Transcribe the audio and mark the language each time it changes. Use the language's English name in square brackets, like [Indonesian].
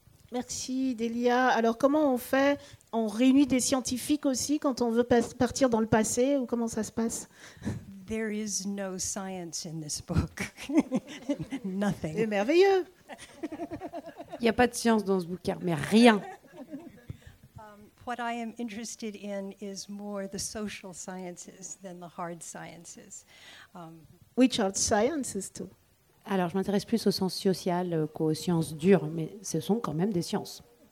[French] Merci Delia. Alors comment on fait ? On réunit des scientifiques aussi quand on veut partir dans le passé, ou comment ça se passe ? [English] There is no science in this book. Nothing. [French] C'est merveilleux. Il n'y a pas de science dans ce bouquin, mais rien. [English] What I am interested in is more the social sciences than the hard sciences. Which are sciences too? [French] Alors, je m'intéresse plus aux sciences sociales qu'aux sciences dures, mais ce sont quand même des sciences.